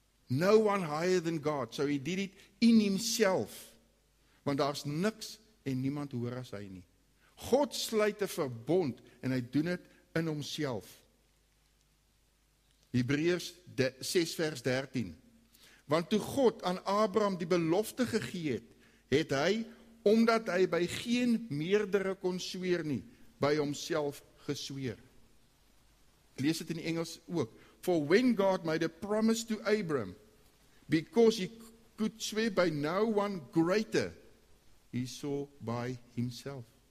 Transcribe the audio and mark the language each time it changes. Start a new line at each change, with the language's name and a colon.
English: No one higher than God, so he did it in himself.
Afrikaans: Want daar is niks en niemand hoor as hy nie. God sluit 'n verbond en hy doen het in homself. Hebreërs 6 vers 13. Want toe God aan Abraham die belofte gegee het, het hy, omdat hy by geen meerdere kon sweer nie, by homself gesweer. Ek lees het in Engels ook.
English: For when God made a promise to Abraham, because he could swear by no one greater, he saw by himself.